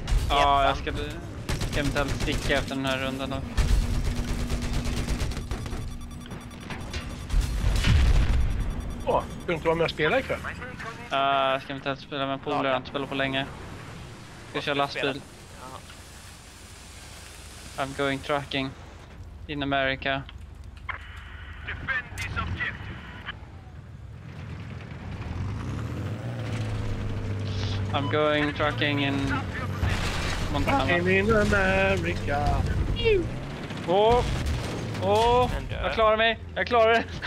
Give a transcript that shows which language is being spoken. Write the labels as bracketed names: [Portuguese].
[Swedish] Ja, jag ska eventuellt sticka efter den här rundan då. Ska du inte vara med och spela ikväll? Jag ska inte spela med polare, jag har inte spelat på länge. Ska köra lastbil. [English] I'm going tracking in America. I'm going tracking in Montana. I'm in America. [Swedish] Oh, jag klarar mig, jag klarar det.